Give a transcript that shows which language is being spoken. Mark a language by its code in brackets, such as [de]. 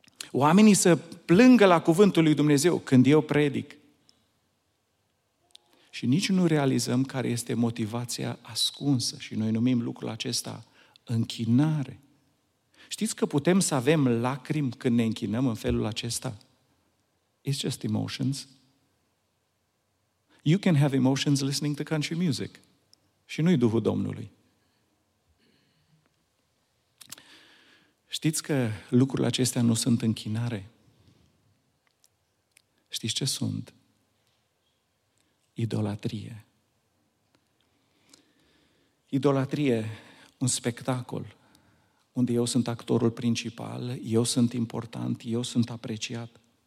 [ro] Oamenii să plângă la cuvântul lui Dumnezeu când eu predic. Și nici nu realizăm care este motivația ascunsă și noi numim lucrul acesta închinare. Știți că putem să avem lacrimi când ne închinăm în felul acesta? [en] It's just emotions. You can have emotions listening to country music. [ro] Și nu-i Duhul Domnului. Știți că lucrurile acestea nu sunt închinare? Știți ce sunt? Idolatrie. Idolatrie, un spectacol unde eu sunt actorul principal, eu sunt important, eu sunt apreciat.